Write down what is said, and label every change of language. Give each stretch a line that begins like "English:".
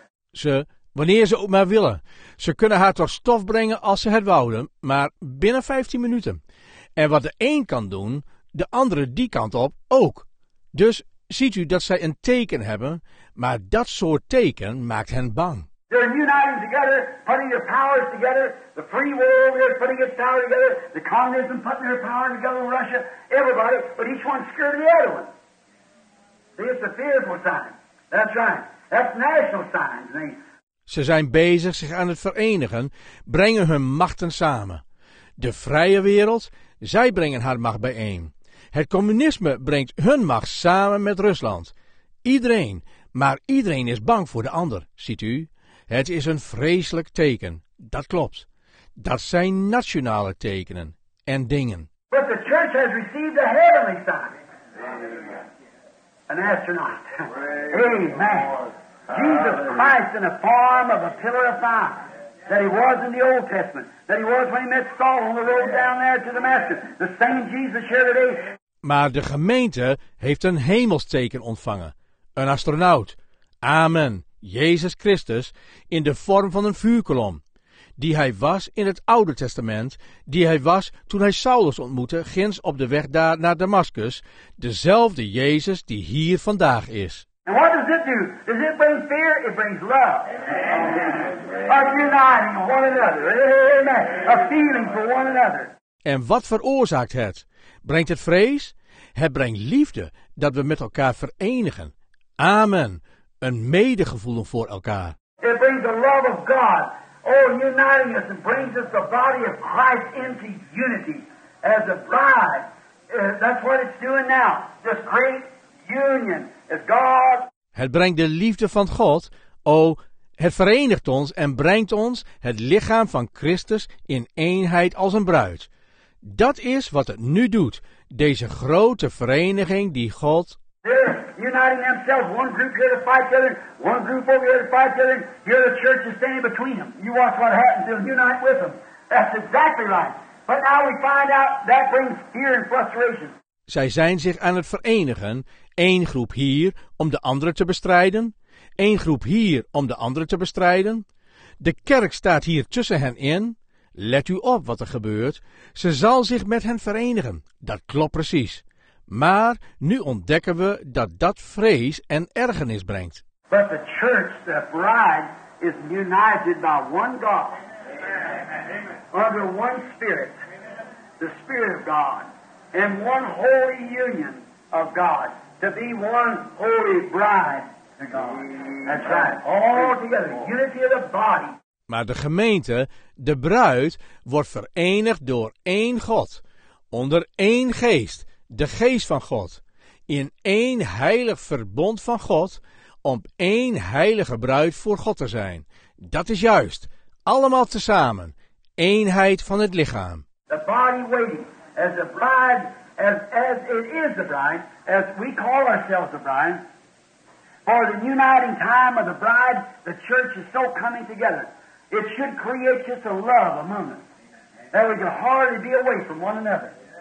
Dutch: Ze, wanneer ze ook maar willen. Ze kunnen haar tot stof brengen als ze het wouden, maar binnen 15 minuten. En wat de een kan doen, de andere die kant op ook. Dus ziet u dat zij een teken hebben, maar dat soort teken maakt hen bang.
English: They're uniting together, putting their powers together. The free world over there is putting its power together. The communism putting their power together in Russia. Everybody, but each one's scared of the other one. See, it's a fearful sign. That's right. That's national signs, man.
Dutch: Ze zijn bezig zich aan het verenigen, brengen hun machten samen. De vrije wereld, zij brengen haar macht bijeen. Het communisme brengt hun macht samen met Rusland. Iedereen, maar iedereen is bang voor de ander, ziet u. Het is een vreselijk teken, dat klopt. Dat zijn nationale tekenen en dingen.
English: But the church has received a heavenly sign. Amen. An astronaut. Amen. Amen. Jesus Christ in the form of a pillar of fire, that he was in the Old Testament, that he was when he met Saul on the road down there to Damascus, the same Jesus here today.
Dutch: Maar de gemeente heeft een hemelsteken ontvangen, een astronaut, amen, Jezus Christus, in de vorm van een vuurkolom, die hij was in het Oude Testament, die hij was toen hij Saulus ontmoette, ginds op de weg daar naar Damascus, dezelfde Jezus die hier vandaag is.
English: And what does it do? Does it bring fear? It brings love. Amen. Amen. A uniting one another. Amen. A feeling for one another.
Dutch: En wat veroorzaakt het? Brengt het vrees? Het brengt liefde dat we met elkaar verenigen. Amen. Een medegevoel voor elkaar.
English: It brings the love of God. Oh, uniting us and brings us the body of Christ into unity as a bride. That's what it's doing now. This great union.
Dutch: Het brengt de liefde van God, het verenigt ons en brengt ons het lichaam van Christus in eenheid als een bruid. Dat is wat het nu doet, deze grote vereniging die God.
English: They're uniting themselves, one group here to fight the other, one group over here to fight the other, here the church is standing between them. You watch what happens, they'll unite with them. That's exactly right. But now we find out that brings fear and frustration.
Dutch: Zij zijn zich aan het verenigen, één groep hier om de andere te bestrijden, één groep hier om de andere te bestrijden. De kerk staat hier tussen hen in. Let u op wat er gebeurt. Ze zal zich met hen verenigen, dat klopt precies. Maar nu ontdekken we dat dat vrees en ergernis brengt.
English: But the church, the bride, is united by one God. Amen. Under one Spirit. Amen. The Spirit of God. And one holy union of God. To be one holy bride to God. Amen. That's right. All together. Unity of the body.
Dutch: Maar de gemeente, de bruid, wordt verenigd door één God, onder één geest, de geest van God, in één heilig verbond van God, om één heilige bruid voor God te zijn. Dat is juist, allemaal tezamen, eenheid van het lichaam.
English: The body waiting, as a bride, as it is the bride, as we call ourselves the bride, for the uniting time of the bride, the church is so coming together. It should create just a love among us. That we can hardly be away from one another.